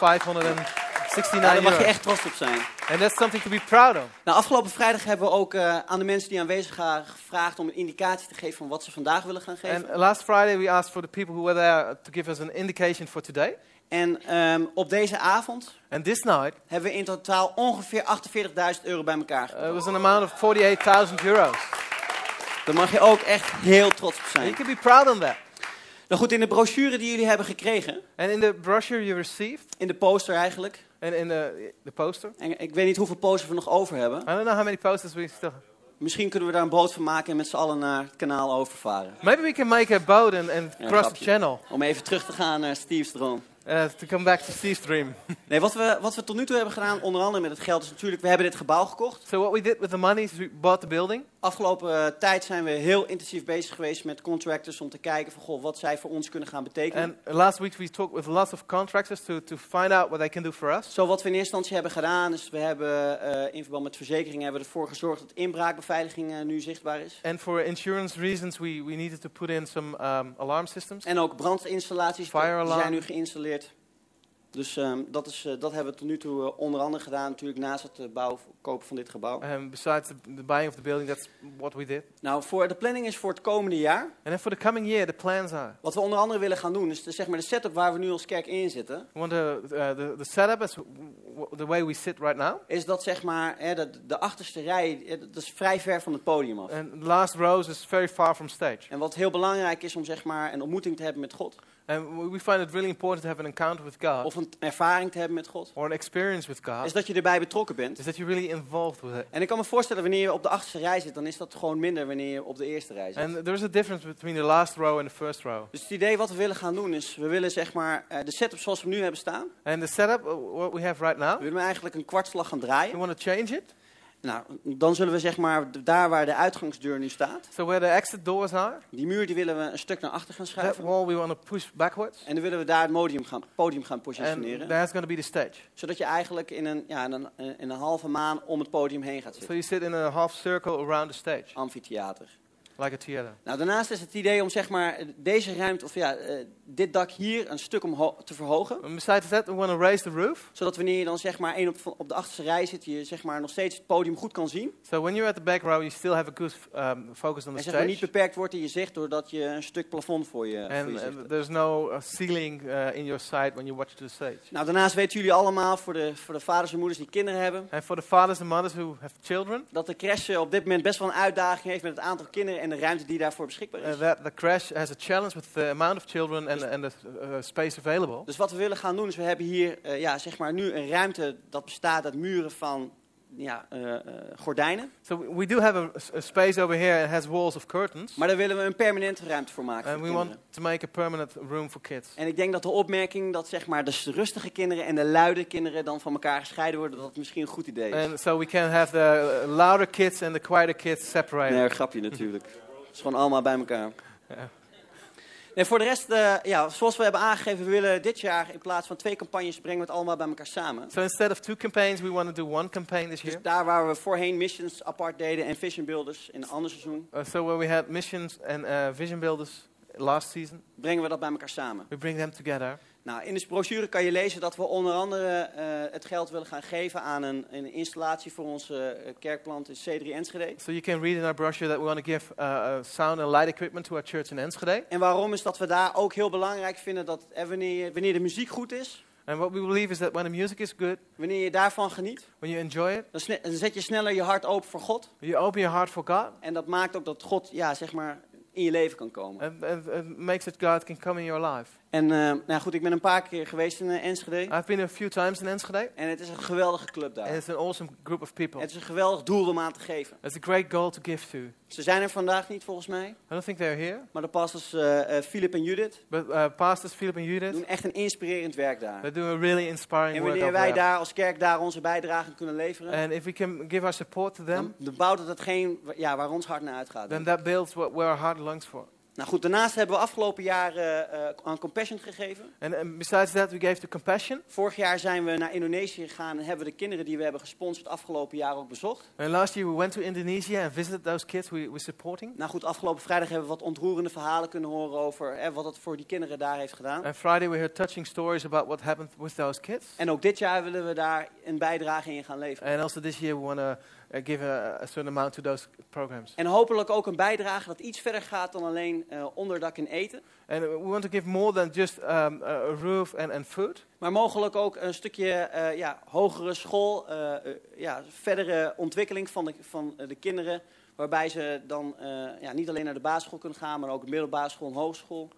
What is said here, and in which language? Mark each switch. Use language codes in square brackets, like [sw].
[nl] euro. Daar mag je echt trots op zijn. [en] And that's something to be proud of. [nl] Nou, afgelopen vrijdag hebben we ook aan de mensen die aanwezig waren gevraagd om een indicatie te geven van wat ze vandaag willen gaan geven. [en] And last Friday we asked for the people who were there to give us an indication for today. [nl] En op deze avond [en] and this night, [nl] hebben we in totaal ongeveer 48.000 euro bij elkaar gekregen. [en] It was an amount of 48.000 euros. [nl] Daar mag je ook echt heel trots op zijn. [en] You can be proud of that. [nl] Nou goed, in de brochure die jullie hebben gekregen. [en] And in the brochure you received. [nl] In de poster eigenlijk. [en] And in the poster. [nl] En ik weet niet hoeveel posters we nog over hebben. [en] I don't know how many posters we still have. [nl] Misschien kunnen we daar een boot van maken en met z'n allen naar het kanaal overvaren. [en] Maybe we can make a boat and cross the channel. [nl] Om even terug te gaan naar Steve's droom. [en] To come back to Steve's dream. [nl] Nee, wat we tot nu toe hebben gedaan, onder andere met het geld, is natuurlijk, we hebben dit gebouw gekocht. [en] So what we did with the money is we bought the building. [nl] Afgelopen tijd zijn we heel intensief bezig geweest met contractors om te kijken van, goh, wat zij voor ons kunnen gaan betekenen. [en] And last week we talked with lots of contractors to find out what they can do for us. [nl] So wat we in eerste instantie hebben gedaan, is we hebben in verband met verzekeringen hebben ervoor gezorgd dat inbraakbeveiliging nu zichtbaar is. [en] And for insurance reasons we needed to put in some alarm systems. [nl] En ook brandinstallaties, [en] fire alarm. [nl] Die zijn nu geïnstalleerd. Dus dat hebben we tot nu toe onder andere gedaan, natuurlijk naast het kopen van dit gebouw. [en] And besides the buying of the building, that's what we did. [nl] Nou, voor de planning is voor het komende jaar. [en] And then for the coming year, the plans are. [nl] Wat we onder andere willen gaan doen is zeg maar de setup waar we nu als kerk in zitten. [en] Want the setup is the way we sit right now. [nl] Is dat zeg maar de achterste rij, dat is vrij ver van het podium af. [en] And the last rows is very far from stage. [nl] En wat heel belangrijk is om zeg maar een ontmoeting te hebben met God. [en] And we find it really important to have an encounter with God. [nl] Of een ervaring te hebben met God. [en] Or an experience with God. [nl] Is dat je erbij betrokken bent. [en] Is that you're really involved with it. [nl] En ik kan me voorstellen wanneer je op de achterste rij zit, dan is dat gewoon minder wanneer je op de eerste rij zit. [en] And there is a difference between the last row and the first row. [nl] Dus het idee wat we willen gaan doen is, we willen zeg maar de setup zoals we nu hebben staan. [en] And the setup what we have right now. [nl] We willen eigenlijk een kwartslag gaan draaien. [en] You want to change it? [nl] Nou, dan zullen we zeg maar daar waar de uitgangsdeur nu staat. [en] So where the exit doors are. [nl] Die muur die willen we een stuk naar achter gaan schuiven. [en] That wall we want to push backwards. [nl] En dan willen we daar het podium gaan positioneren. [en] And that's going to be the stage. [nl] Zodat je eigenlijk in een halve maan om het podium heen gaat zitten. [en] So you sit in a half circle around the stage. [nl] Amfitheater. [en] Like a theater. [nl] Nou, daarnaast is het idee om zeg maar deze ruimte of dit dak hier een stuk omhoog te verhogen. [en] And besides that, we want to raise the roof. [nl] Zodat wanneer je dan zeg maar één op de achterste rij zit, je zeg maar nog steeds het podium goed kan zien. [en] So when you're at the back row, you still have a good focus on the [nl] En zeg maar niet beperkt wordt in je zicht doordat je een stuk plafond voor je. [en] And [nl] voor je zicht. [en] There's no ceiling in your sight when you watch the stage. [nl] Nou, daarnaast weten jullie allemaal voor de vaders en moeders die kinderen hebben. [en] And for the fathers and mothers who have children. [nl] Dat de crash op dit moment best wel een uitdaging heeft met het aantal kinderen en de ruimte die daarvoor beschikbaar is. [en] That the crash has a challenge with the amount of children and the space available. [nl] Dus wat we willen gaan doen is we hebben hier zeg maar nu een ruimte dat bestaat uit muren van gordijnen. [en] So we do have a space over here and has walls of curtains. [nl] Maar daar willen we een permanente ruimte voor maken. [en] And we want to make a permanent room for kids. [nl] En ik denk dat de opmerking dat zeg maar de rustige kinderen en de luide kinderen dan van elkaar gescheiden worden, dat misschien een goed idee is. [en] And so we can have the louder kids and the quieter kids separated. [nl] Nee, grapje natuurlijk. Het is gewoon allemaal bij elkaar. Yeah. En voor de rest, zoals we hebben aangegeven, we willen dit jaar in plaats van twee campagnes brengen we het allemaal bij elkaar samen. [en] So instead of two campaigns, we want to do one campaign this year. [nl] Dus daar waar we voorheen missions apart deden en vision builders in een ander seizoen. [en] So where we had missions and vision builders last season. [nl] Brengen we dat bij elkaar samen. [en] We bring them together. [nl] Nou, in de brochure kan je lezen dat we onder andere het geld willen gaan geven aan een installatie voor onze kerkplant in C3 Enschede. [en] So you can read in our brochure that we want to give sound and light equipment to our church in Enschede. [nl] En waarom is dat we daar ook heel belangrijk vinden dat wanneer de muziek goed is. [en] And what we believe is that when the music is good. [nl] Wanneer je daarvan geniet. [en] When you enjoy it. [nl] Dan zet je sneller je hart open voor God. [en] You open your heart for God. [nl] En dat maakt ook dat God, in je leven kan komen. [en] And makes it God can come in your life. [nl] En goed, ik ben een paar keer geweest in Enschede. [en] I've been a few times in Enschede. [nl] En het is een geweldige club daar. [en] And it's an awesome group of people. [nl] En het is een geweldig doel om aan te geven. [en] It's a great goal to give to. [nl] Ze zijn er vandaag niet volgens mij. [en] I don't think they're here. [nl] Maar de pastors Philip en Judith. [en] But pastors Philip and Judith. [nl] Doen echt een inspirerend werk daar. [en] They do a really inspiring work. [nl] En wanneer [en] work [nl] wij daar als kerk daar onze bijdrage kunnen leveren. [en] And if we can give our support to them. [nl] Dan bouwt het geen waar ons hart naar uitgaat. [en] Then that builds what where our heart longs for. [nl] Nou goed, daarnaast hebben we afgelopen jaar aan Compassion gegeven. [en] And besides that, we gave to Compassion. [nl] Vorig jaar zijn we naar Indonesië gegaan en hebben we de kinderen die we hebben gesponsord afgelopen jaar ook bezocht. [en] And last year we went to Indonesia and visited those kids we were supporting. [nl] Nou goed, afgelopen vrijdag hebben we wat ontroerende verhalen kunnen horen over wat het voor die kinderen daar heeft gedaan. [en] And Friday we heard touching stories about what happened with those kids. [nl] En ook dit jaar willen we daar een bijdrage in gaan leveren. [en] And also this year we want to give a certain amount to those programs. [nl] En hopelijk ook een bijdrage dat iets verder gaat dan alleen onderdak en eten. [en] And we want to give more than just a roof and food. [nl] Maar mogelijk ook een stukje hogere school, verdere ontwikkeling van de kinderen, waarbij ze dan niet alleen naar de basisschool kunnen gaan, maar ook middelbare school en hogeschool.